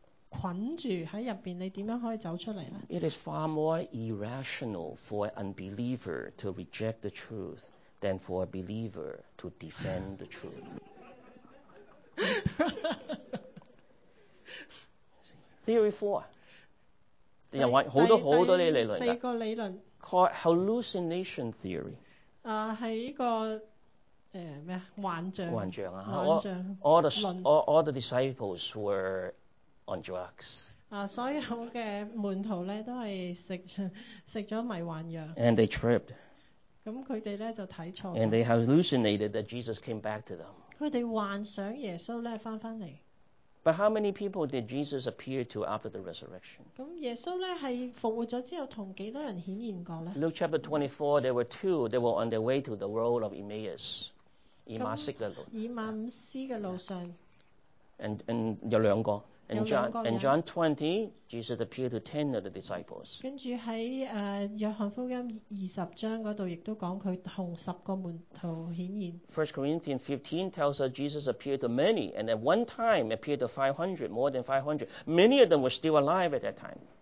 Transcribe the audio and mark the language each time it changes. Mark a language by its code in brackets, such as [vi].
[zh] 如果你被一個這樣的扣捆住在裡面,你怎樣可以走出來呢? [en] It is far more irrational for an unbeliever to reject the truth than for a believer to defend the truth. Theory 4. [zh] 第四个理论, [en] called hallucination theory. [zh] 是一个幻象。 [en] All the disciples were on drugs. [zh] 所有的门徒都是吃了迷幻药。 [en] And they tripped. [zh] 他们就看错了。 [en] And they hallucinated that Jesus came back to them. [zh] 他们幻想耶稣回来。 [en] But how many people did Jesus appear to after the resurrection? [zh] 耶稣复活了之后,跟多少人显现过呢? [en] Luke chapter 24, there were two that were on their way to the road of Emmaus. [zh] 以马五斯的路上。 [en] And [zh] 有两个。 [en] And John 20, Jesus appeared to 10 of the disciples. [zh] 然后在约翰福音20章那里,也说他和10个门徒显现。 [en] 1 Corinthians 15 tells us Jesus appeared to many, and at one time appeared to 500, more than 500. Many of them were still alive at that time.